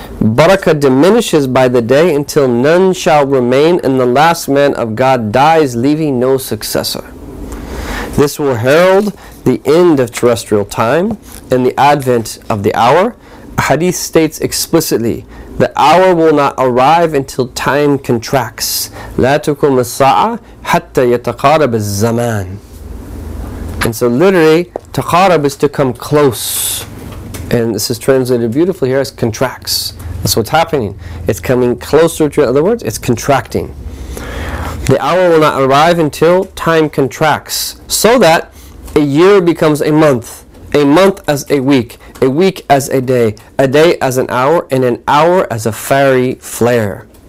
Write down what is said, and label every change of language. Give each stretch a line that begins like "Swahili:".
English: Barakah diminishes by the day until none shall remain and the last man of God dies, leaving no successor. This will herald the end of terrestrial time and the advent of the hour. Hadith states explicitly, the hour will not arrive until time contracts.
Arabic: لا تكون الساعة حتى يتقارب الزمان.
English: And so literally, taqarab is to come close. And this is translated beautifully here as contracts. That's what's happening. It's coming closer to, in other words, it's contracting. The hour will not arrive until time contracts, so that a year becomes a month as a week as a day as an hour, and an hour as a fiery flare.